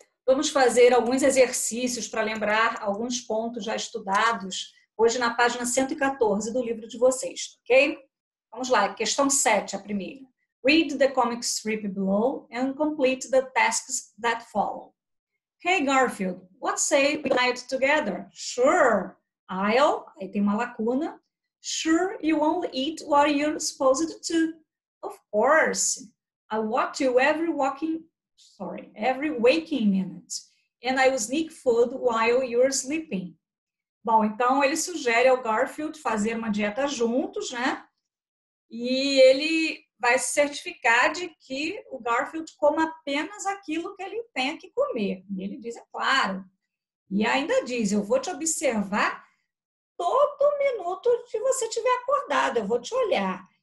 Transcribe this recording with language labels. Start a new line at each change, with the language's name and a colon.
Portuguese: Vamos fazer alguns exercícios para lembrar alguns pontos já estudados hoje na página 114 do livro de vocês, ok? Vamos lá, questão 7, a primeira.
English: Read the comic strip below and complete the tasks that follow. Hey Garfield, what say we ride together? Sure, I'll,
Portuguese: aí tem uma lacuna.
English: Sure, you won't eat what you're supposed to. Of course, I watch you every waking minute. And I will sneak food while you're sleeping.
Portuguese: Bom, então ele sugere ao Garfield fazer uma dieta juntos, né? E ele vai se certificar de que o Garfield coma apenas aquilo que ele tenha que comer. E ele diz, é claro. E ainda diz, eu vou te observar todo minuto que você estiver acordado, eu vou te olhar.